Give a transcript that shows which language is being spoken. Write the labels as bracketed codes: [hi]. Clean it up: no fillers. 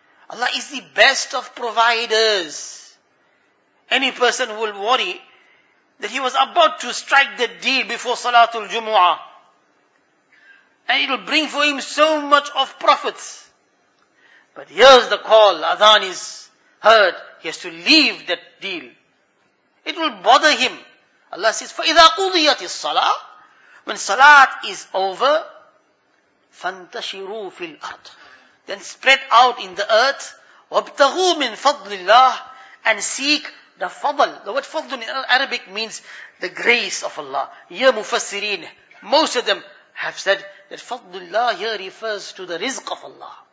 [en] Allah is the best of providers. Any person who will worry that he was about to strike the deal before Salatul Jumu'ah, and it will bring for him so much of profits. But here's the call, adhan is heard, he has to leave that deal. It will bother him. Allah says, [ar] فَإِذَا قُضِيَتِ الصَّلَاةِ. [en] When salat is over, [ar] فَانْتَشِرُوا فِي الْأَرْضِ. [en] Then spread out in the earth, [ar] وَابْتَغُوا مِنْ فَضْلِ اللَّهِ. [en] And seek the fadl. The word fadl in Arabic means the grace of Allah. Ya mufassirin, most of them have said that fadlullah here refers to the rizq of Allah.